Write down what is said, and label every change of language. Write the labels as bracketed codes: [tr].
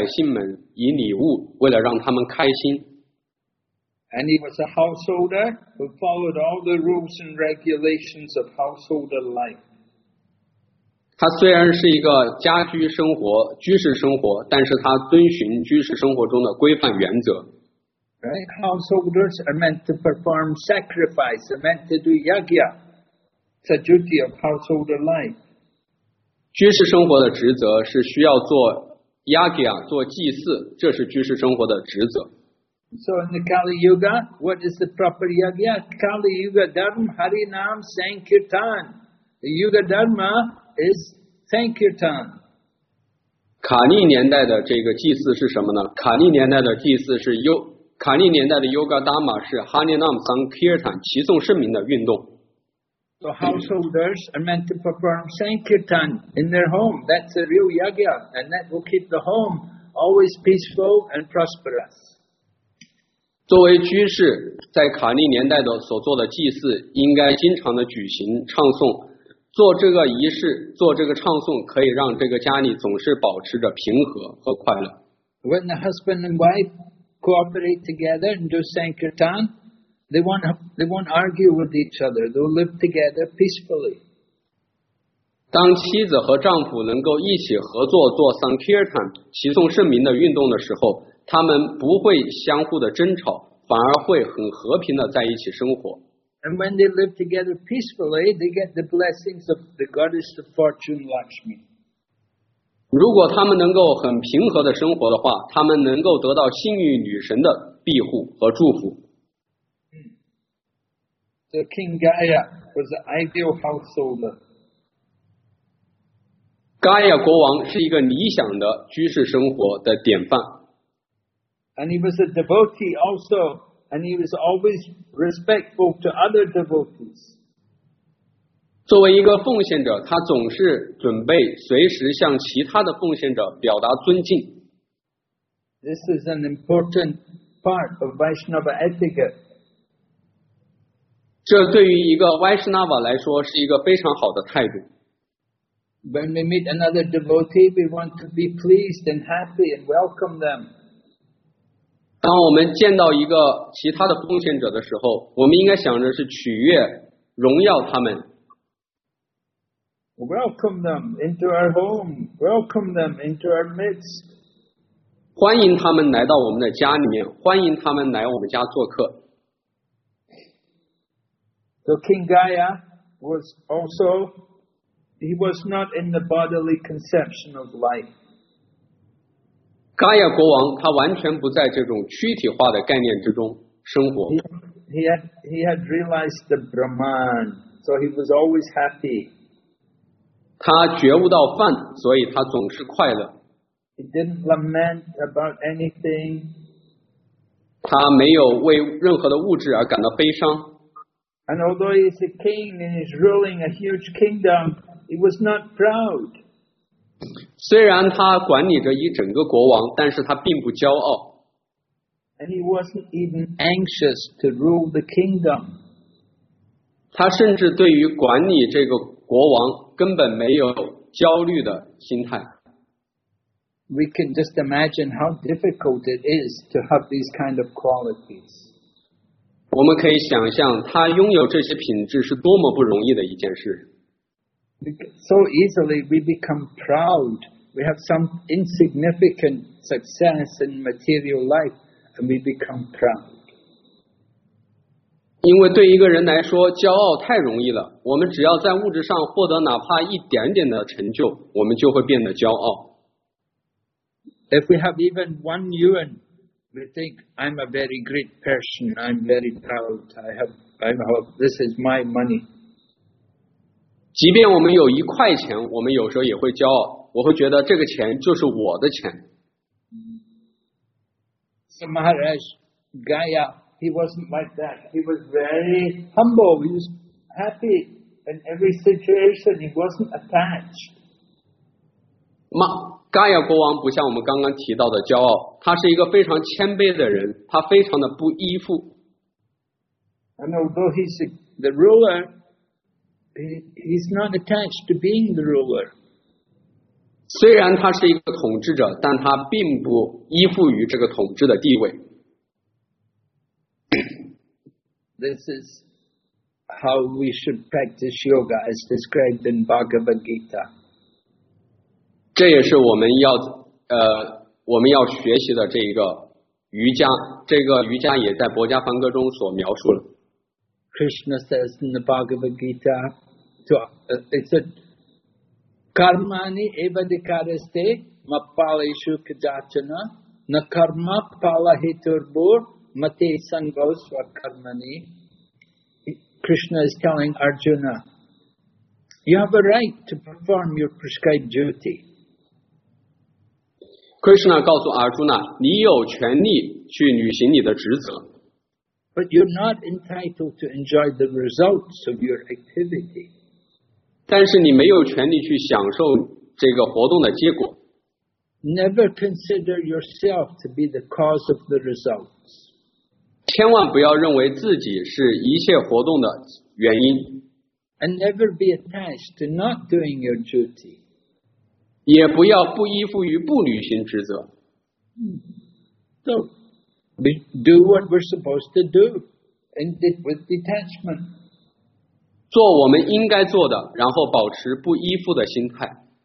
[zh] 而且他还给这些臣民老百姓们以礼物，为了让他们开心。 [en] And he was a householder who followed all the rules and regulations of householder life. [zh] 他虽然是一个家居生活、居士生活，但是他遵循居士生活中的规范原则。 [en] Right? Householders are meant to perform sacrifice, are meant to do yagya. It's a duty of householder life. [zh] 居士生活的职责是需要做yagya、做祭祀，这是居士生活的职责。 [en] So in the Kali Yuga, what is the proper yagya? Kali Yuga Dharma Harinam Sankirtan. The Yuga Dharma is Sankirtan. [zh] 卡利年代的这个祭祀是什么呢? 卡利年代的 Yoga Dharma 是 Harinam Sankirtan, 齐颂圣名的运动。 [en] So householders are meant to perform Sankirtan in their home. That's a real yagya, and that will keep the home always peaceful and prosperous. [zh] 作为居士，在卡利年代的所做的祭祀，应该经常的举行唱诵。做这个仪式，做这个唱诵，可以让这个家里总是保持着平和和快乐。 [en] When the husband and wife cooperate together and do sankirtan, they won't argue with each other. They'll live together peacefully. [zh] 当妻子和丈夫能够一起合作做 sankirtan 齐颂圣名的运动的时候，他们不会相互的争吵，反而会很和平的在一起生活。 [en] And when they live together peacefully, they get the blessings of the goddess of fortune, Lakshmi. [zh] 如果他们能够很平和的生活的话，他们能够得到幸运女神的庇护和祝福。 [en] So King Gaya was an ideal householder. [zh] Gaya 国王是一个理想的居士生活的典范。 [en] And he was a devotee also. And he was always respectful to other devotees. [zh] 作为一个奉献者，他总是准备随时向其他的奉献者表达尊敬。 [en] This is an important part of Vaishnava etiquette. [zh] 这对于一个 Vaishnava 来说是一个非常好的态度。 [en] When we meet another devotee, we want to be pleased and happy and welcome them. [zh] 当我们见到一个其他的奉献者的时候，我们应该想着是取悦、荣耀他们。 [en] Welcome them into our home. Welcome them into our midst. [zh] 欢迎他们来到我们的家里面，欢迎他们来我们家做客。 [en] So King Gaya was also, he was not in the bodily conception of life. [zh] 嘎亚国王他完全不在这种躯体化的概念之中生活。 [en] He had realized the Brahman, so he was always happy. [zh] 他觉悟到梵，所以他总是快乐。 [en] He didn't lament about anything. [zh] 他没有为任何的物质而感到悲伤。 [en] And although he's a king and he's ruling a huge kingdom, he was not proud. [zh] 虽然他管理着一整个国王，但是他并不骄傲。 [en] And he wasn't even anxious to rule the kingdom. [zh] 他甚至对于管理这个国王根本没有焦虑的心态。 [en] We can just imagine how difficult it is to have these kind of qualities. [zh] 我们可以想象他拥有这些品质是多么不容易的一件事。 [en] So easily we become proud. We have some insignificant success in material life, and we become proud. [zh] 因为对一个人来说，骄傲太容易了。我们只要在物质上获得哪怕一点点的成就，我们就会变得骄傲。 [en] If we have even one yuan, we think I'm a very great person. I'm very proud. I have this is my money. [zh] 即便我们有一块钱，我们有时候也会骄傲，我会觉得这个钱就是我的钱。 [en] So Maharaj Gaya, he wasn't like that. He was very humble. He was happy in every situation. He wasn't attached. [zh] Gaya 国王不像我们刚刚提到的骄傲，他是一个非常谦卑的人，他非常的不依附。 [en] And although he's the ruler,He's not attached to being the ruler. [zh] 虽然他是一个统治者，但他并不依附于这个统治的地位。 [en] This is how we should practice yoga as described in Bhagavad Gita. [zh] 这也是我们要学习的这一个瑜伽，这个瑜伽也在《薄伽梵歌》中所描述了。 [en] Krishna says in the Bhagavad Gita. So it said, [sa] "Karmani eva dikariste mapaleshu kajatana na karma palahiturbur mate sangosva karmani." [en] Krishna is telling Arjuna, "You have a right to perform your prescribed duty." [zh] Krishna 告诉 Arjuna, 你有权利去履行你的职责。 [en] But you're not entitled to enjoy the results of your activity. [zh] 但是你没有权利去享受这个活动的结果。 [en] Never consider yourself to be the cause of the results. [zh] 千万不要认为自己是一切活动的原因。 [en] And never be attached to not doing your duty. [zh] 也不要不依附于不履行职责。 [en] So, we do what we're supposed to do, and with detachment. 做我们应该做的，然后保持不依附的心态。